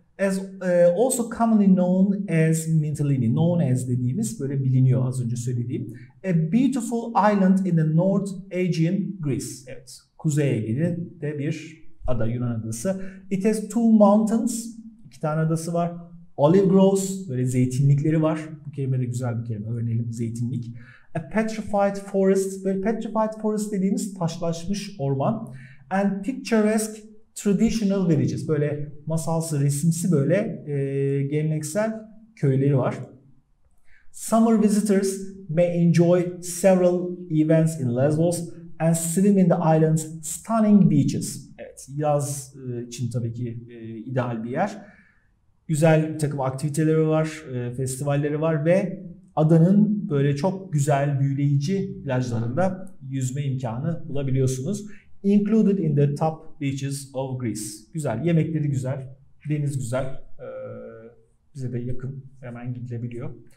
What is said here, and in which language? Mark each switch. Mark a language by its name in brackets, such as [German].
[English] As also commonly known as Mintilini, known as [Turkish] dediğimiz böyle biliniyor az önce söylediğim. [English] A beautiful island in the North Aegean Greece. [Turkish] Evet, Kuzey Ege'de bir ada, Yunan adası. [English] It has two mountains, [Turkish] iki tane adası var. [English] Olive groves, [Turkish] böyle zeytinlikleri var. Bu kelime de güzel bir kelime, örneğin zeytinlik. [English] A petrified forest, [Turkish] böyle petrified forest dediğimiz taşlaşmış orman. [English] And picturesque traditional villages, [Turkish] böyle masalsı, resimsi böyle geleneksel köyleri var. [English] Summer visitors may enjoy several events in Lesbos and swim in the island's stunning beaches. [Turkish] Evet, yaz için tabii ki ideal bir yer. Güzel bir takım aktiviteleri var, festivalleri var ve adanın böyle çok güzel büyüleyici plajlarında yüzme imkanı bulabiliyorsunuz. [English] Included in the top beaches of Greece. [Turkish] Güzel, yemekleri güzel, deniz güzel, bize de yakın, hemen gidilebiliyor.